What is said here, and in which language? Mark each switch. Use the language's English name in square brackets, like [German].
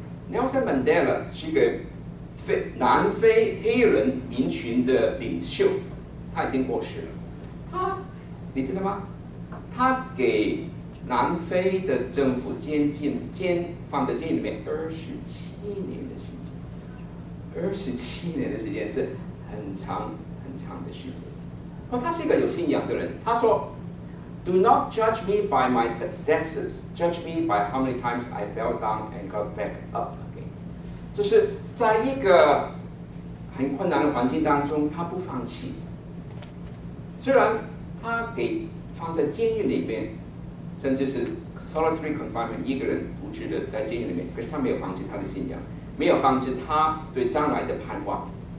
[Chinese] Nelson Mandela 是一个南非黑人民群的领袖，他已经过世了。他，你知道吗？他给南非的政府放在监狱里面27年的时间，27年的时间是很长很长的时间。他是一个有信仰的人，他说 [English] ：“Do not judge me by my successes, judge me by how many times I fell down and got back up.” [Chinese] 就是在一个很困难的环境当中，他不放弃。虽然他被放在监狱里面，甚至是 solitary confinement， 一个人独自的在监狱里面，可是他没有放弃他的信仰，没有放弃他对将来的盼望。